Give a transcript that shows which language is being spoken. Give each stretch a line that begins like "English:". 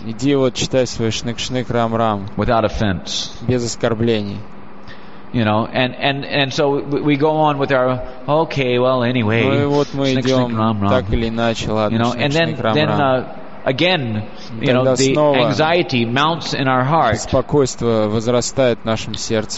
Russian: Иди вот читай свой шнык шнык рам рам.
English: Without offense.
Russian: Без оскорблений.
English: You know, and so we go on with our okay. Well, anyway.
Russian: Ну и вот мы идем так или иначе, ладно.
English: You know, and then. Again, you know, the anxiety mounts in our heart.
Russian: Беспокойство возрастает в нашем сердце.